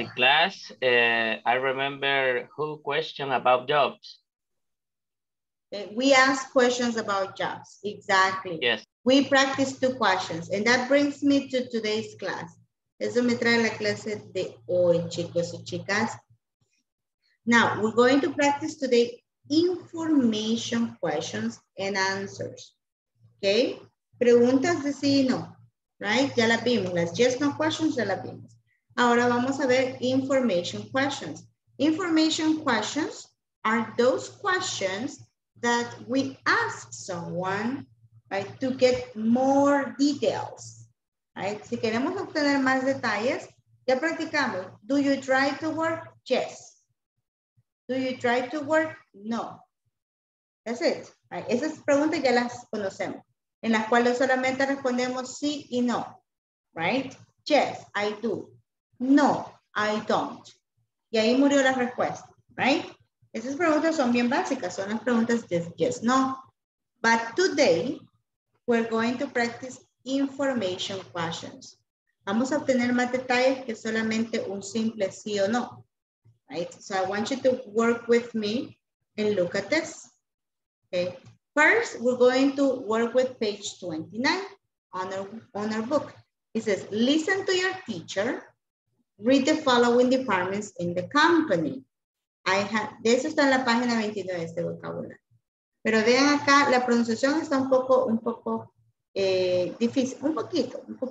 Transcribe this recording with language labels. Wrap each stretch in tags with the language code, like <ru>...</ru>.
<en>In class, I remember who questioned about jobs. We ask questions about jobs, exactly. Yes. We practice two questions, and that brings me to today's class.</en> <es>Eso me trae la clase de hoy, chicos y chicas.</es> <en>Now, we're going to practice today information questions and answers.</en> <es>Okay? Preguntas de sí y no. Right? Ya las vimos. Las yes, no questions, ya las vimos. Ahora vamos a ver information questions.</es> <en>Information questions are those questions that we ask someone, right, to get more details.</en> <es>Right? Si queremos obtener más detalles, ya practicamos.</es> <en>Do you drive to work? Yes. Do you drive to work? No. That's it. Right?</en> <es>Esas preguntas ya las conocemos, en las cuales solamente respondemos sí y no.</es> <en>Right? Yes, I do. No, I don't.</en> <es>Y ahí murió la respuesta. Right? Esas preguntas son bien básicas. Son las preguntas de yes, no.</es> <en>But today, we're going to practice information questions.</en> <es>Vamos a obtener más detalles que solamente un simple sí o no.</es> <en>Right? So I want you to work with me and look at this. Okay. First, we're going to work with page 29 on our book. It says, listen to your teacher, read the following departments in the company. I have,</en> <es>de eso está en la página 29 de este vocabulario. Pero vean acá, la pronunciación está un poco difícil, un poquito.</es>